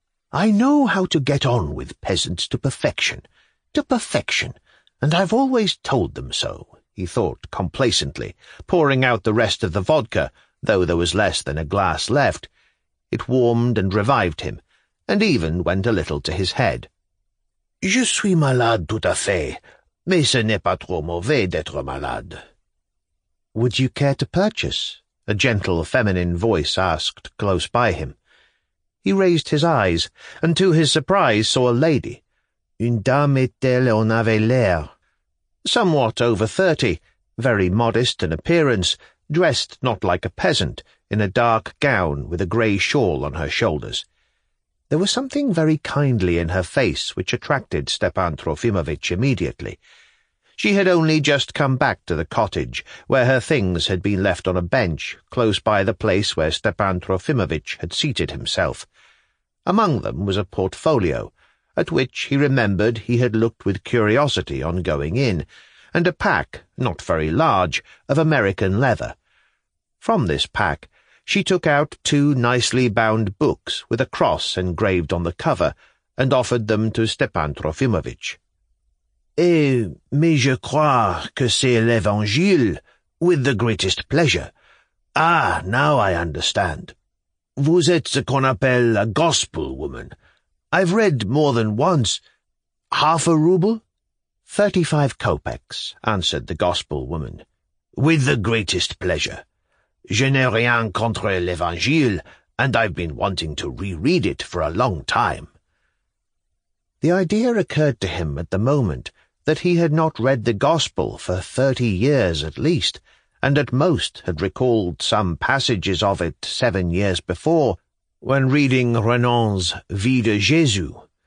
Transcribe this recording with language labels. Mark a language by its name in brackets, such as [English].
[English] "I know how to get on with peasants to perfection, and I've always told them so," he thought complacently, pouring out the rest of the vodka, though there was less than a glass left. It warmed and revived him, and even went a little to his head. [French] "Je suis malade tout à fait, mais ce n'est pas trop mauvais d'être malade." [English] "Would you care to purchase?" a gentle feminine voice asked close by him. He raised his eyes, and to his surprise saw a lady. [French] Une dame est-elle en avait l'air? [English] Somewhat over 30, very modest in appearance, dressed not like a peasant, in a dark gown with a grey shawl on her shoulders. There was something very kindly in her face which attracted Stepan Trofimovitch immediately. She had only just come back to the cottage, where her things had been left on a bench, close by the place where Stepan Trofimovitch had seated himself. Among them was a portfolio, at which he remembered he had looked with curiosity on going in, and a pack, not very large, of American leather. From this pack she took out 2 nicely bound books with a cross engraved on the cover, and offered them to Stepan Trofimovitch. [French] "Eh, mais je crois que c'est l'Évangile, [English] with the greatest pleasure. Ah, now I understand. [French] Vous êtes ce qu'on appelle [English] a gospel woman. I've read more than once. Half a rouble?" 35 kopecks, answered the gospel woman. "With the greatest pleasure. [French] Je n'ai rien contre l'Évangile, [English] and I've been wanting to reread it for a long time." The idea occurred to him at the moment that he had not read the Gospel for 30 years at least, and at most had recalled some passages of it 7 years before, when reading Renan's Vie de Jésus.